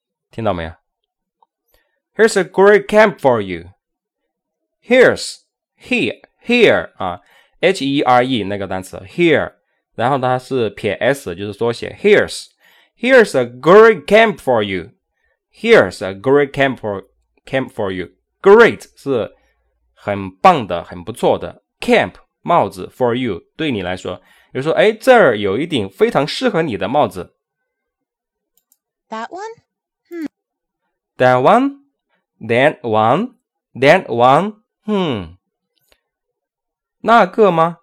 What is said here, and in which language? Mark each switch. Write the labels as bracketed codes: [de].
[zh] 听到没有 [en] ？Here's a great cap for you. [zh] Here's here 啊 ，h e r e 那个单词 here， 然后它是撇 s， 就是缩写。 [en] Here's a great cap for you. Here's a great cap for you. [zh] Great 是很棒的，很不错的 cap。帽子 [en] for you [zh] 对你来说，比如说，哎，这儿有一顶非常适合你的帽子。 [en] That one, That one, that one, [zh] 那个吗？